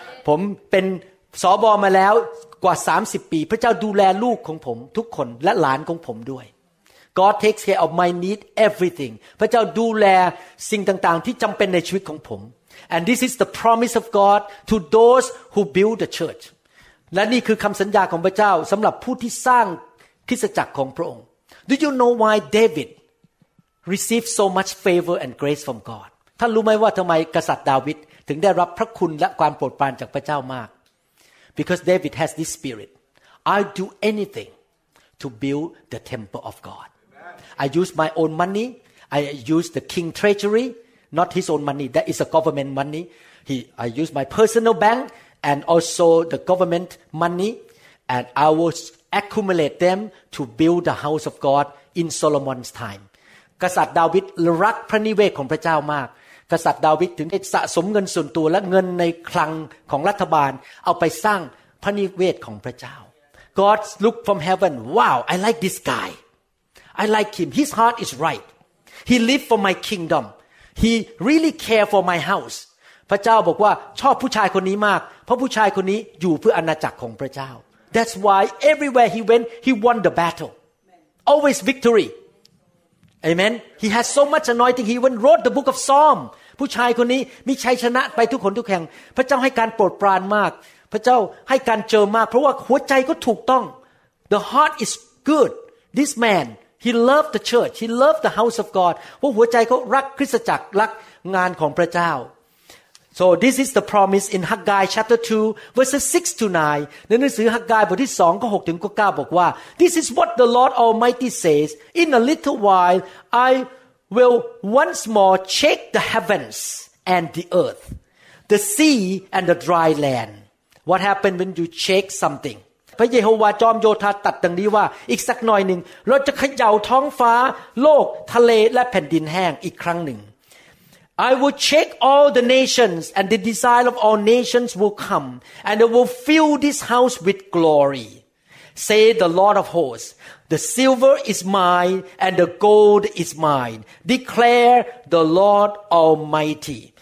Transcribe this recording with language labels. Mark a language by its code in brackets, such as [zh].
[th] ผมเป็นสบมาแล้วกว่า30ปีพระเจ้าดูแลลูกของผมทุกคนและหลานของผมด้วย [en] God takes care of my need everything [th] พระเจ้าดูแลสิ่งต่างๆที่จำเป็นในชีวิตของผม [en] And this is the promise of God to those who build the church [th] และนี่คือคำสัญญาของพระเจ้าสำหรับผู้ที่สร้างคริสตจักรของพระองค์ [en] Do you know why David received so much favor and grace from God [th] ท่านรู้ไหมว่าทำไมกษัตริย์ดาวิดถึงได้รับพระคุณและความโปรดปรานจากพระเจ้ามาก [en] Because David has this spirit. I do anything to build the temple of God. I use my own money. I use the king treasury, not his own money. That is a government money. I use my personal bank and also the government money. And I will accumulate them to build the house of God in Solomon's time. [th] กษัตริย์ดาวิดรักพระนิเวศของพระเจ้ามากกษัตริย์ดาวิดถึงได้สะสมเงินส่วนตัวและเงินในคลังของรัฐบาลเอาไปสร้างพระนิเวศของพระเจ้า [en] God look from heaven wow I like this guy I like him his heart is right he live for my kingdom he really care for my house [th] พระเจ้าบอกว่าชอบผู้ชายคนนี้มากเพราะผู้ชายคนนี้อยู่เพื่ออาณาจักรของพระเจ้า [en] That's why everywhere he went he won the battle always victoryAmen. He has so much anointing. He even wrote the book of Psalm. [th] ผู้ชายคนนี้มีชัยชนะไปทุกคนทุกแห่งพระเจ้าให้การโปรดปรานมากพระเจ้าให้การเจอมากเพราะว่าหัวใจก็ถูกต้อง [en] The heart is good. This man, he loved the church. He loved the house of God. [th] ว่าหัวใจเขารักคริสตจักรรักงานของพระเจ้า [en] So this is the promise in Haggai chapter 2 verses 6 to 9. [th] ในหนังสือฮักกายบทที่2ข้อ6ถึงข้อ9บอกว่า [en] This is what the Lord Almighty says. In a little while, I will once more shake the heavens and the earth, the sea and the dry land. What happened when you shake something? [th] พระเยโฮวาจอมโยธาตัดดังนี้ว่าอีกสักหน่อยหนึ่งเราจะเขย่าท้องฟ้าโลกทะเลและแผ่นดินแห้งอีกครั้งหนึ่ง [en] I will shake all the nations and the desire of all nations will come and they will fill this house with glory say the Lord of hosts the silver is mine and the gold is mine declare the Lord almighty